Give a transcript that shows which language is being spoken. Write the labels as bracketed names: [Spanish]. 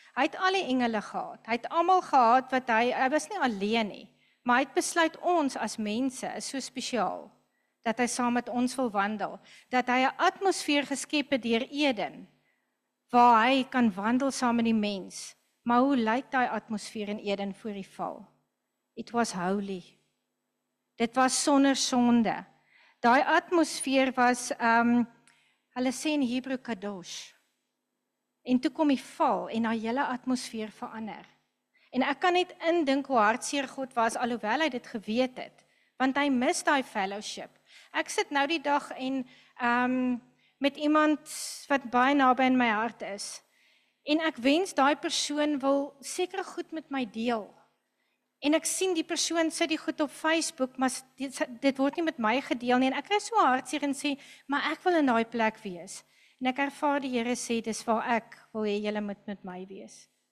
[Afrikaans] Hy het al die engele gehad. Hy het almal gehad wat hy was nie alleen nie, maar hy het besluit ons as mense is so spesiaal. Dat hy saam met ons wil wandel, dat hy 'n atmosfeer geskep het deur Eden waar hy kan wandel saam met die mens. Maar hoe lyk daai atmosfeer in Eden voor die val? [English] It was holy. [Afrikaans] Dit was sonder sonde. Daai atmosfeer was hulle sê in Hebreë kadosh. En toe kom die val en daai hele atmosfeer verander. En ek kan net indink hoe hartseer God was alhoewel hy dit geweet het, want hy mis daai fellowship. Ek sit nou die dag en met iemand wat baie naby in my hart is. En ek wens daai persoon wil seker goed met my deel. En ek sien die persoon sit die goed op Facebook, maar dit word nie met my gedeel nie en ek kry so hartseer en sê, maar ek wil in daai plek wees. En ek ervaar die Here sê dis waar ek wil hê julle moet met my wees.